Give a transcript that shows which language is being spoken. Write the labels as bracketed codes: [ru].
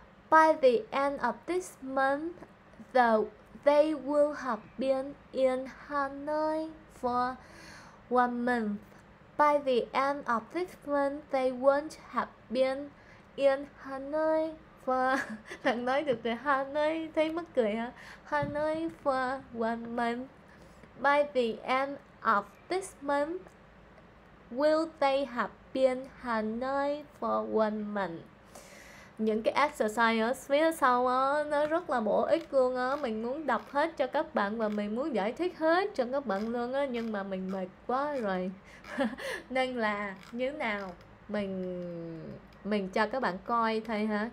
[en] By the end of this month, they will have been in Hanoi for 1 month. By the end of this month, they won't have been in Hanoi for... [vi] Thằng nói được rồi, Hanoi, thấy mắc cười hả? [en] Hanoi for 1 month. By the end of this month, will they have been Hanoi for 1 month? [vi] Những cái exercise phía sau đó, nó rất là bổ ích luôn á. Mình muốn đọc hết cho các bạn và mình muốn giải thích hết cho các bạn luôn á. Nhưng mà mình mệt quá rồi. Nên là như nào mình cho các bạn coi thôi ha.